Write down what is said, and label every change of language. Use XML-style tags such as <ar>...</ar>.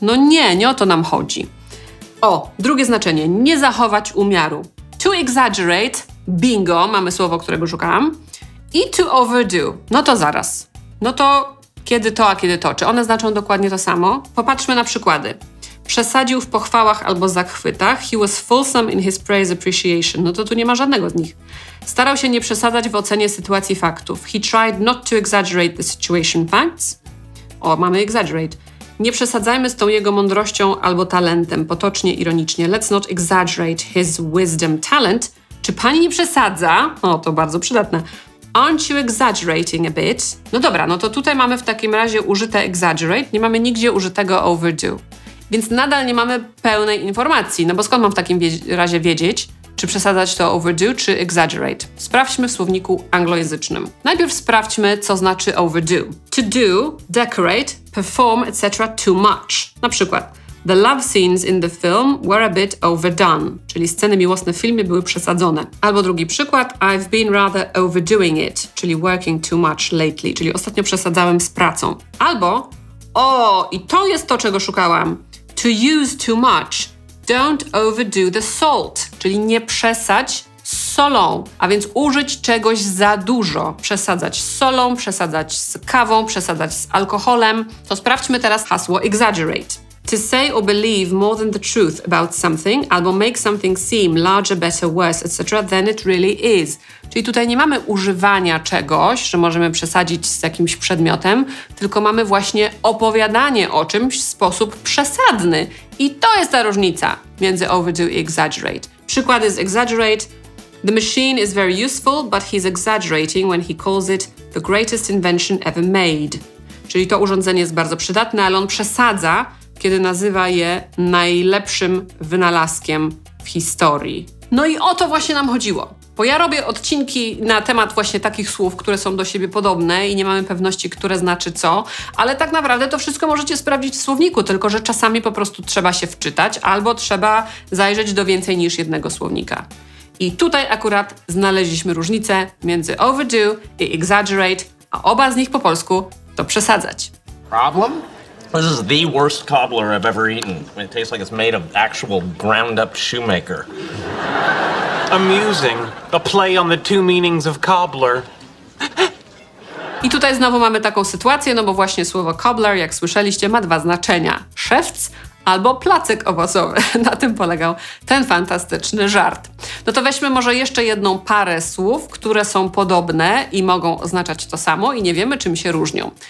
<pl>No nie, nie o to nam chodzi. O, drugie znaczenie, nie zachować umiaru.</pl> <en>To exaggerate,</en> <pl>bingo, mamy słowo, którego szukałam. I to overdo, no to zaraz. No to kiedy to, a kiedy to? Czy one znaczą dokładnie to samo? Popatrzmy na przykłady. Przesadził w pochwałach albo zachwytach.</pl> <en>He was fulsome in his praise appreciation.</en> <pl>No to tu nie ma żadnego z nich. Starał się nie przesadzać w ocenie sytuacji faktów.</pl> <en>He tried not to exaggerate the situation facts.</en> <pl>O, mamy exaggerate. Nie przesadzajmy z tą jego mądrością albo talentem. Potocznie, ironicznie.</pl> <en>Let's not exaggerate his wisdom talent.</en> <pl>Czy pani nie przesadza? O, to bardzo przydatne.</pl> <en>Aren't you exaggerating a bit?</en> <pl>No dobra, no to tutaj mamy w takim razie użyte exaggerate, nie mamy nigdzie użytego overdo. Więc nadal nie mamy pełnej informacji, no bo skąd mam w takim razie wiedzieć, czy przesadzać to overdo, czy exaggerate? Sprawdźmy w słowniku anglojęzycznym. Najpierw sprawdźmy, co znaczy overdo.</pl> <en>To do, decorate, perform, etc. too much.</en> <pl>Na przykład,</pl> <en>the love scenes in the film were a bit overdone,</en> <pl>czyli sceny miłosne w filmie były przesadzone. Albo drugi przykład,</pl> <en>I've been rather overdoing it,</en> <pl>czyli</pl> <en>working too much lately,</en> <pl>czyli ostatnio przesadzałem z pracą. Albo, o, i to jest to, czego szukałam,</pl> <en>to use too much, don't overdo the salt,</en> <pl>czyli nie przesadź z solą, a więc użyć czegoś za dużo. Przesadzać z solą, przesadzać z kawą, przesadzać z alkoholem. To sprawdźmy teraz hasło exaggerate.</pl> <en>To say or believe more than the truth about something albo make something seem larger, better, worse, etc. than it really is.</en> <pl>Czyli tutaj nie mamy używania czegoś, że możemy przesadzić z jakimś przedmiotem, tylko mamy właśnie opowiadanie o czymś w sposób przesadny. I to jest ta różnica między overdo i exaggerate. Przykład jest exaggerate.</pl> <en>The machine is very useful, but he's exaggerating when he calls it the greatest invention ever made.</en> <pl>Czyli to urządzenie jest bardzo przydatne, ale on przesadza, kiedy nazywa je najlepszym wynalazkiem w historii. No i o to właśnie nam chodziło. Bo ja robię odcinki na temat właśnie takich słów, które są do siebie podobne i nie mamy pewności, które znaczy co, ale tak naprawdę to wszystko możecie sprawdzić w słowniku, tylko że czasami po prostu trzeba się wczytać albo trzeba zajrzeć do więcej niż jednego słownika. I tutaj akurat znaleźliśmy różnicę między overdo i exaggerate, a oba z nich po polsku to przesadzać. Problem?</pl> <en>This is the worst cobbler I've ever eaten. It tastes like it's made of actual ground-up shoemaker. Amusing. A play on the two meanings of cobbler.</en> <pl>I tutaj znowu mamy taką sytuację, no bo właśnie słowo cobbler, jak słyszeliście, ma dwa znaczenia. Szewc albo placek owocowy. Na tym polegał ten fantastyczny żart. No to weźmy może jeszcze jedną parę słów, które są podobne i mogą oznaczać to samo i nie wiemy, czym się różnią.</pl>